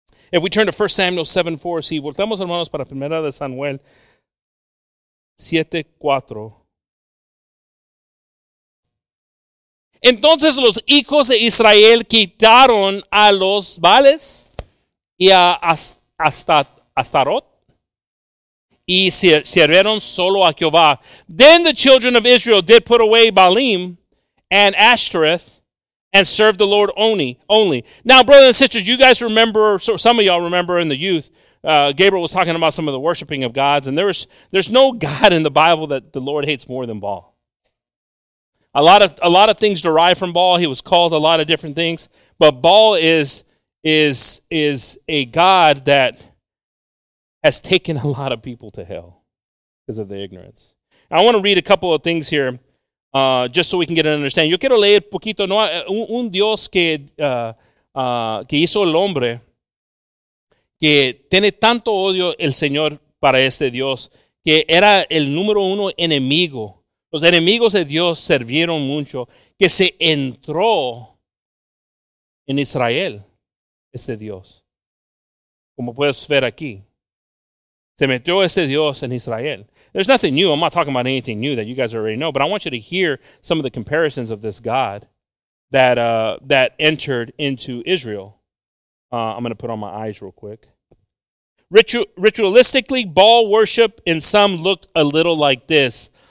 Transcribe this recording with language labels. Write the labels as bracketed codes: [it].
[en] If we turn to 1 Samuel 7:4, [es] si voltamos, hermanos, para 1 Samuel 7:4. Entonces los hijos de Israel quitaron a los Baales y a Astarot y sirvieron solo a Jehová. [en] Then the children of Israel did put away Baalim and Ashtoreth and served the Lord only. Now, brothers and sisters, you guys remember, so some of y'all remember in the youth, Gabriel was talking about some of the worshiping of gods, and there's no god in the Bible that the Lord hates more than Baal. A lot of things derive from Baal. He was called a lot of different things, but Baal is a god that has taken a lot of people to hell because of their ignorance. I want to read a couple of things here, just so we can get an understanding. [es] Yo quiero leer poquito, no, un Dios que hizo el hombre, que tiene tanto odio el Señor para este Dios, que era el número uno enemigo. Los enemigos de Dios sirvieron mucho, que se entró en Israel, este Dios. Como puedes ver aquí, se metió este Dios en Israel. [en] There's nothing new, I'm not talking about anything new that you guys already know, but I want you to hear some of the comparisons of this God that that entered into Israel. I'm going to put on my eyes real quick. Ritualistically, Baal worship in some looked a little like this.